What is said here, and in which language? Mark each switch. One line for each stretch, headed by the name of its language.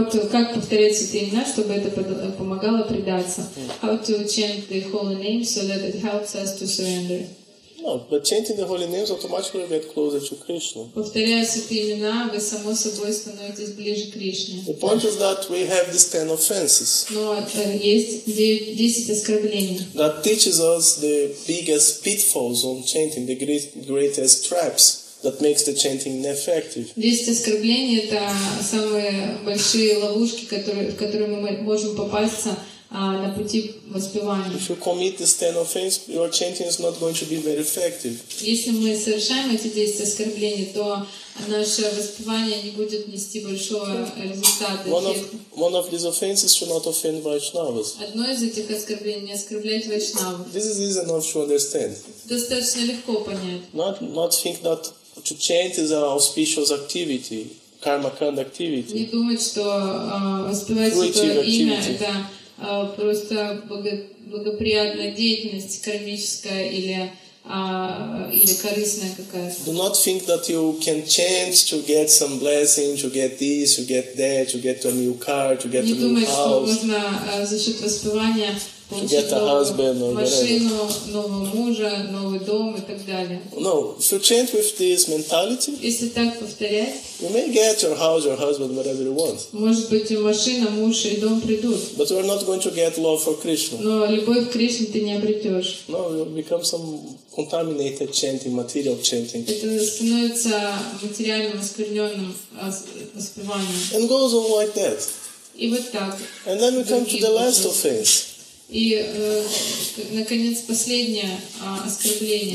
Russian: Как повторять эти имена, чтобы это помогало предаться?
English: How to chant the holy names so that it helps us to surrender? No, but chanting the holy names automatically get closer to Krishna.
Russian: Повторяя эти имена, вы само собой становитесь ближе к Кришне.
English: The point is that we have these 10 offenses.
Russian: Но есть 10 оскорблений.
English: That teaches us the biggest pitfalls on chanting, the greatest traps. That makes the chanting ineffective.
Russian: 10 оскорблений — это самые большие ловушки, в которые мы можем попасться на пути воспевания.
English: If you commit these 10 offenses, your chanting is not going to be very effective.
Russian: Если мы совершаем эти 10 оскорблений, то наше воспевание не будет нести большого результата.
English: One of these offenses should not offend Vaishnavas.
Russian: Одно из этих оскорблений — не оскорблять Вайшнаву.
English: This is easy enough to understand.
Russian: Достаточно легко понять.
English: Not think that to chant is an auspicious activity, karma kand activity.
Russian: Не думать, что воспевать святое имя — это просто благоприятная деятельность, кармическая или корыстная какая-то.
English: Do not think that you can chant to get some blessing, to get this, to get that, to get a new car, to get
Russian: Не
English: a new
Russian: думать,
English: house.
Russian: Не думать, что можно за счет воспевания
English: to get a husband or whatever.
Russian: Машину, нового мужа, новый дом и так далее.
English: No, if you chant with this mentality,
Russian: если так повторять,
English: you may get your house, your husband, whatever you want.
Russian: Может быть, и машина, муж и дом придут.
English: But you are not going to get love for Krishna.
Russian: Но любовь к Кришне ты не обретешь.
English: No, you become some contaminated chanting, material chanting.
Russian: Это становится материальным оскверненным воспеванием.
English: And goes on like that.
Russian: И вот так.
English: And then we come to the last offense.
Russian: И, наконец, последнее оскорбление.